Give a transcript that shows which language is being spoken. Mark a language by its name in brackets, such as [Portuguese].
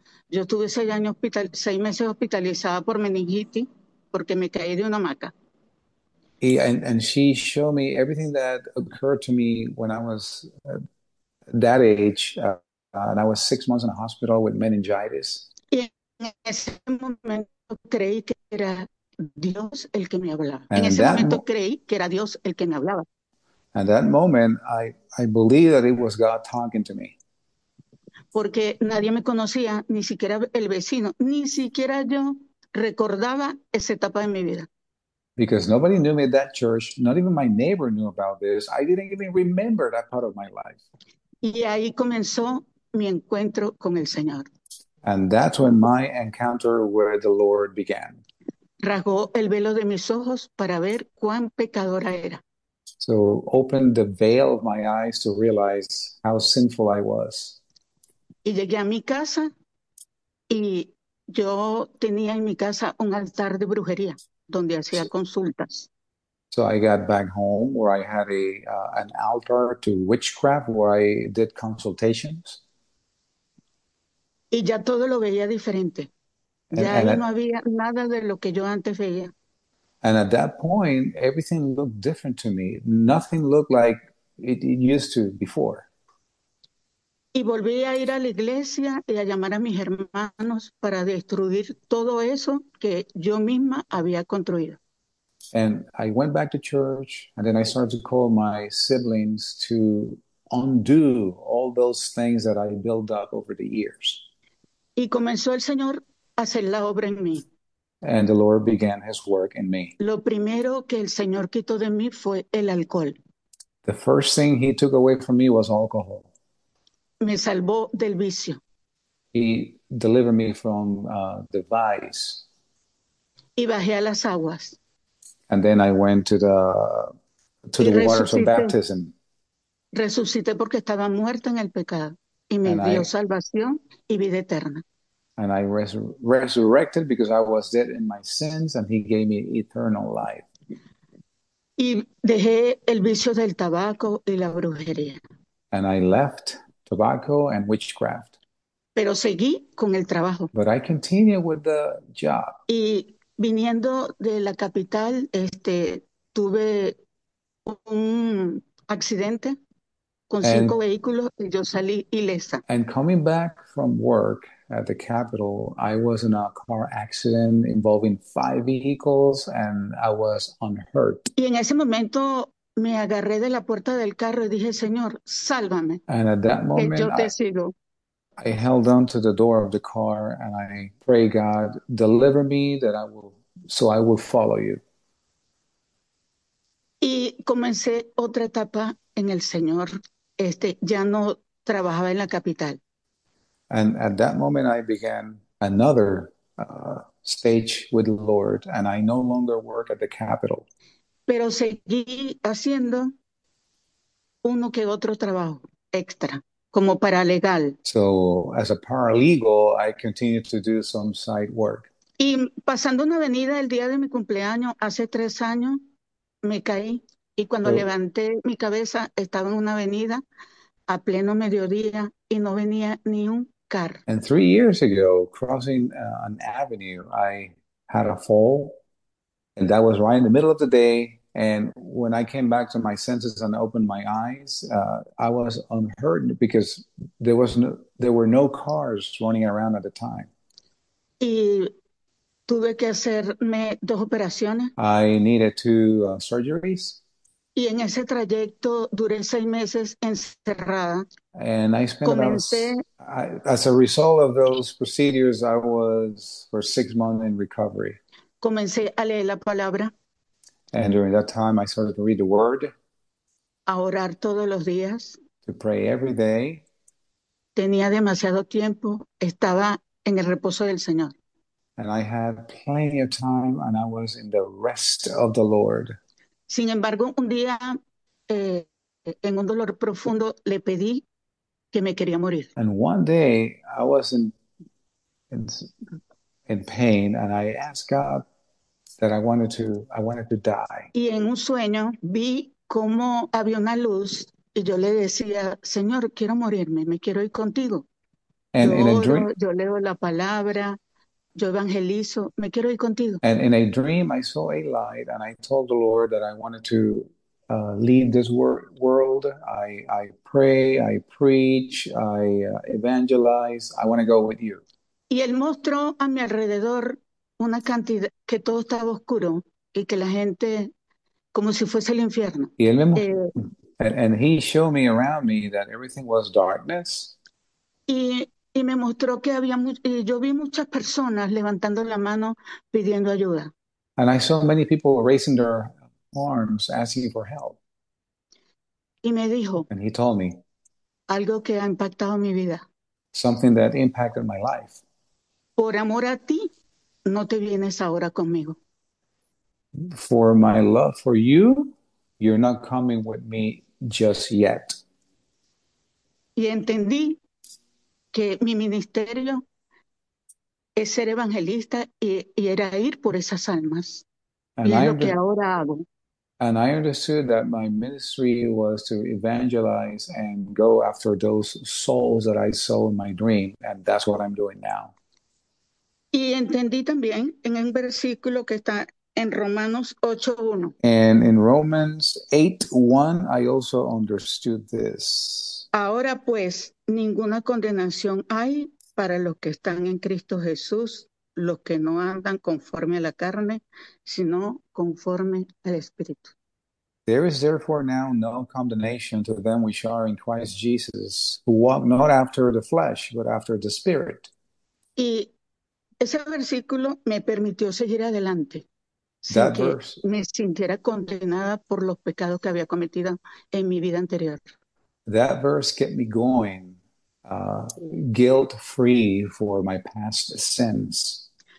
[Spanish] Yo estuve 6 meses hospitalizada por meningitis porque me caí de una hamaca. [English] And she showed me everything that occurred to me when I was that age, and I was 6 months in a hospital with meningitis. [Spanish] En ese momento creí que era Dios el que me hablaba. En [English] And [Spanish] ese momento creí que era Dios el que me hablaba. [English] that moment, I believe that it was God talking to me. [Spanish] Porque nadie me conocía, ni siquiera el vecino, ni siquiera yo recordaba esa etapa de mi vida. [English] Because nobody knew me at that church, not even my neighbor knew about this. I didn't even remember that part of my life. [Spanish] Y ahí comenzó mi encuentro con el Señor. [English] And that's when my encounter with the Lord began. [Spanish] Rasgó el velo de mis ojos para ver cuán pecadora era. [English] So opened the veil of my eyes to realize how sinful I was. [Spanish] Y llegué a mi casa y yo tenía en mi casa un altar de brujería donde hacía consultas. [English] So I got back home where I had an altar to witchcraft where I did consultations. [Spanish] Y ya todo lo veía diferente. [English] And [Spanish] Ya ahí no había nada de lo que yo antes veía. [English] at that point, everything looked different to me. Nothing looked like it used to before. [Spanish] Y volví a ir a la iglesia y a llamar a mis hermanos para destruir todo eso que yo misma había construido. [English] And I went back to church, and then I started to call my siblings to undo all those things that I built up over the years. [Spanish] Y comenzó el Señor hacer la obra en mí. [English] And the Lord began his work in me. [Spanish] Lo primero que el Señor quitó de mí fue el alcohol. [English] The first thing he took away from me was alcohol. [Spanish] Me salvó del vicio. [English] He delivered me from the vice. [Spanish] Y bajé a las aguas. [English] And then I went to [Spanish] Y [English] the waters of [Spanish] resucité. [English] baptism. [Spanish] Resucité porque estaba muerta en el pecado. y me dio salvación y vida eterna. [English] And I resurrected because I was dead in my sins, and he gave me eternal life. [Spanish] Y dejé el vicio del tabaco y la brujería. [English] And I left tobacco and witchcraft. [Spanish] Pero seguí con el trabajo. [English] But I continued with the job. [Spanish] Y viniendo de la capital, tuve un accidente con cinco vehículos y yo salí ilesa. [English] And coming back from work at the Capitol, I was in a car accident involving five vehicles and I was unhurt. [Spanish] Y en ese momento me agarré de la puerta del carro y dije, Señor, sálvame, [English] And at that [Spanish] que [English] moment, [Spanish] yo te sigo. [English] I held on to the door of the car and I pray God, deliver me that I will so I will follow you. [Spanish] Y comencé otra etapa en el Señor. Ya no trabajaba en la capital. [English] And at that moment, I began another stage with the Lord, and I no longer work at the Capitol. [Spanish] Pero seguí haciendo uno que otro trabajo extra, como paralegal. [English] So, as a paralegal, I continued to do some site work. [Spanish] Y pasando una avenida el día de mi cumpleaños, hace 3 años, me caí y cuando [English] So, [Spanish] levanté mi cabeza estaba en una avenida a pleno mediodía y no venía ni un carro. [English] And 3 years ago, crossing an avenue, I had a fall, and that was right in the middle of the day. And when I came back to my senses and opened my eyes, I was unhurt because there were no cars running around at the time. [Spanish] Y tuve que hacerme dos operaciones. [English] I needed two surgeries. [Spanish] Y en ese trayecto duré 6 meses encerrada. [English] And I spent about [Spanish] Comencé. [English] As a result of those procedures, I was for 6 months in recovery. [Spanish] Comencé a leer la palabra. [English] And during that time, I started to read the word, [Spanish] A orar todos los días. [English] to pray every day. [Spanish] Tenía demasiado tiempo. Estaba en el reposo del Señor. [English] And I had plenty of time, and I was in the rest of the Lord. [Spanish] Sin embargo, un día, en un dolor profundo, le pedí que me quería morir. [English] And one day I was in pain and I asked God that I wanted to die. [Spanish] Y en un sueño vi cómo había una luz y yo le decía, Señor, quiero morirme, me quiero ir contigo. [English] And [Spanish] Yo oro, yo leo la palabra, yo evangelizo, me quiero ir contigo. [English] in a dream I saw a light and I told the Lord that I wanted to leave this world. I pray, I preach, I evangelize. I want to go with you. [Spanish] Y él mostró a mi alrededor una cantidad, que todo estaba oscuro y que la gente, como si fuese el infierno. [English] Y and he showed me around me that everything was darkness. [Spanish] Y me mostró que había, y yo vi muchas personas levantando la mano pidiendo ayuda. [English] And I saw many people raising their arms asking for help. [Spanish] Y me dijo [English] And he told me [Spanish] algo que ha impactado mi vida. [English] something that impacted my life. [Spanish] Por amor a ti, no te vienes ahora conmigo. [English] For my love for you, you're not coming with me just yet. [Spanish] Y entendí que mi ministerio es ser evangelista y era ir por esas almas. Y es lo que ahora hago. [English] And I understood that my ministry was to evangelize and go after those souls that I saw in my dream, and that's what I'm doing now. [Spanish] Y entendí también en un versículo que está en Romanos 8:1. [English] And in Romans 8:1, I also understood this. [Spanish] Ahora pues, ninguna condenación hay para los que están en Cristo Jesús, los que no andan conforme a la carne, sino conforme al Espíritu. [English] There is therefore now no condemnation to them which are in Christ Jesus, who walk not after the flesh, but after the Spirit. [Spanish] Y ese versículo me permitió seguir adelante sin [English] That [Spanish] que [English] verse. [Spanish] me sintiera condenada por los pecados que había cometido en mi vida anterior. [English] That verse kept me going, guilt-free for my past sins.